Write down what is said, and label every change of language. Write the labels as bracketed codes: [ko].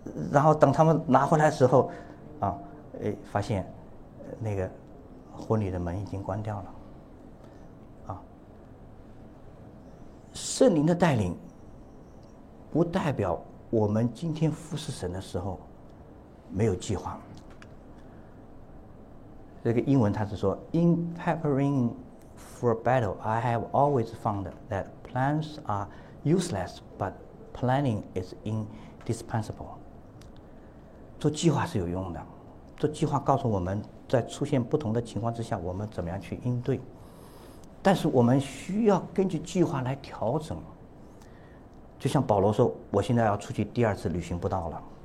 [zh] 然后等他们拿回来的时候啊，发现那个婚礼的门已经关掉了。圣灵的带领不代表我们今天服侍神的时候没有计划。这个英文他是说 [en] In preparing for battle I have always found that plans are useless but planning is indispensable。 [zh] 做计划是有用的，做计划告诉我们在出现不同的情况之下我们怎么样去应对，但是我们需要根据计划来调整。就像保罗说，我现在要出去第二次旅行不到了，